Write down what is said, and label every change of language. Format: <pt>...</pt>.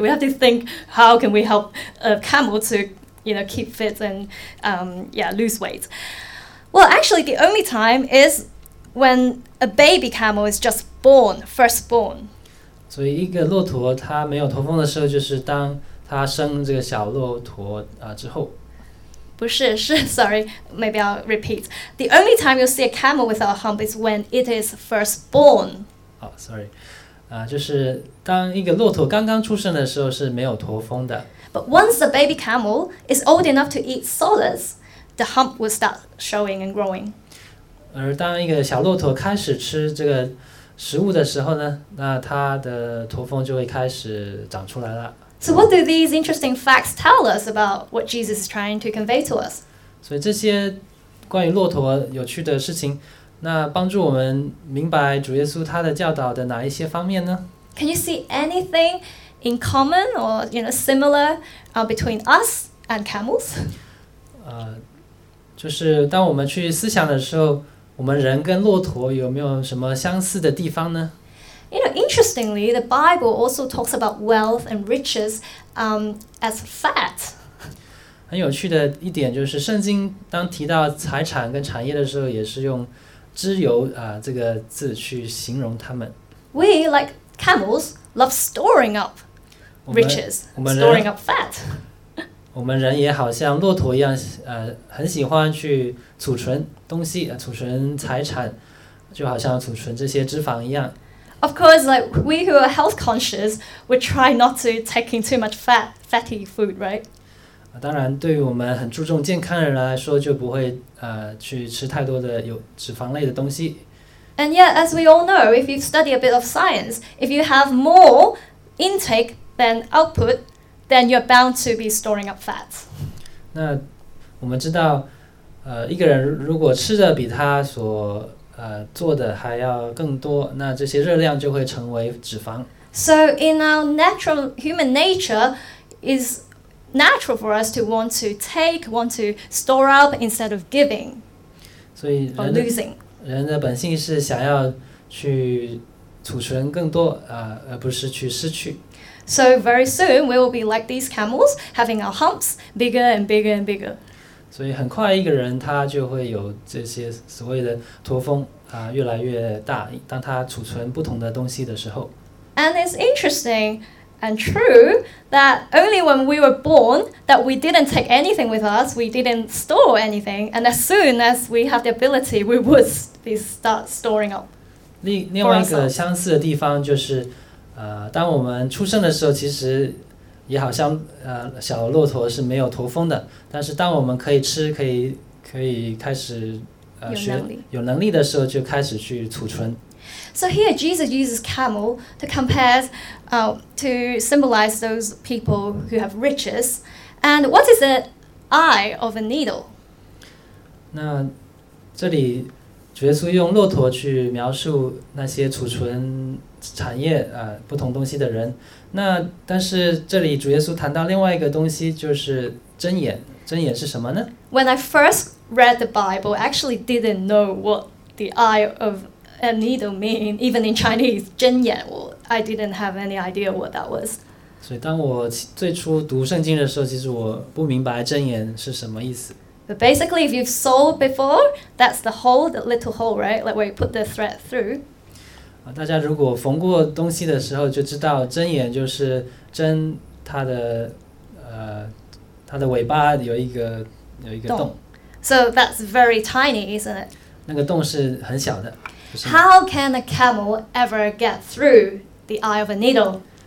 <en>We have to think how can we help a camel to, you know, keep fit and lose weight. Well, actually, the only time is when a baby camel is just born, first born.</en> <zh>所以一个骆驼它没有驼峰的时候，就是当它生这个小骆驼之后。不是，是</zh> <en>sorry, maybe I'll repeat. The only time you'll see a camel without a hump is when it is first born.</en> <zh>就是当一个骆驼刚刚出生的时候是没有驼峰的。</zh> <en>But once the baby camel is old enough to eat solids, the hump will start showing and growing.</en> <zh>而当一个小骆驼开始吃这个食物的时候呢，那它的驼峰就会开始长出来了。</zh> <en>So what do these interesting facts tell us about what Jesus is trying to convey to us?</en> <zh>所以这些关于骆驼有趣的事情，那帮助我们明白主耶稣他的教导的哪一些方面呢？</zh> <en>Can you see anything in common or you know, similar between us and camels?</en> <zh>就是当我们去思想的时候，我们人跟骆驼有没有什么相似的地方呢？</zh> <en>You know, interestingly, the Bible also talks about wealth and riches as fat.</en> <zh>很有趣的一点就是圣经当提到财产跟产业的时候也是用脂油这个字去形容他们。</zh> <en>We, like camels, love storing up riches, storing up fat.</en> <zh>我们人也好像骆驼一样很喜欢去储存东西储存财产，就好像储存这些脂肪一样。</zh> <en>Of course, like we who are health conscious, we try not to take in too much fatty food, right?</en> <zh>当然对于我们很注重健康的人来说就不会去吃太多的有脂肪类的东西。</zh> <en>And yet, as we all know, if you study a bit of science, if you have more intake than output, then you're bound to be storing up fat.</en> <zh>那我们知道一个人如果吃的比他所做的还要更多，那这些热量就会成为脂肪。</zh> <en>So in our natural human nature is natural for us to want to take, want to store up instead of giving or losing.</en> <zh>人的本性是想要去储存更多而不是去失去。</zh> <en>So very soon we will be like these camels, having our humps bigger and bigger and bigger.</en> <zh>所以很快一个人他就会有这些所谓的驼峰越来越大，当他储存不同的东西的时候。</zh> <en>And it's interesting and true that only when we were born that we didn't take anything with us, we didn't store anything, and as soon as we have the ability, we would start storing up.</en> <zh>另外一个相似的地方就是当我们出生的时候其实也好像小骆驼是没有驼峰的，但是当我们可以吃可以开始有能力的时候就开始去储存。</zh> <en>So here Jesus uses camel to compare to symbolize those people who have riches. And what is the eye of a needle?</en> <zh>那这里主耶稣用骆驼去描述那些储存产业不同东西的人。那但是这里主耶稣谈到另外一个东西，就是针眼。针眼是什么呢？</zh> <en>When I first read the Bible, I actually didn't know what the eye of a needle mean, even in Chinese, 针眼, I didn't have any idea what that was.</en> <zh>所以当我最初读圣经的时候，其实我不明白针眼是什么意思。</zh> <en>But basically, if you've sewed before, that's the hole, the little hole, right? Like where you put the thread through.</en> <zh>大家如果缝过东西的时候就知道针眼就是针它的尾巴有一个洞。</zh> <en>So that's very tiny, isn't it?</en> <zh>那个洞是很小的。</zh> <en>How can a camel ever get through the eye of a needle?</en>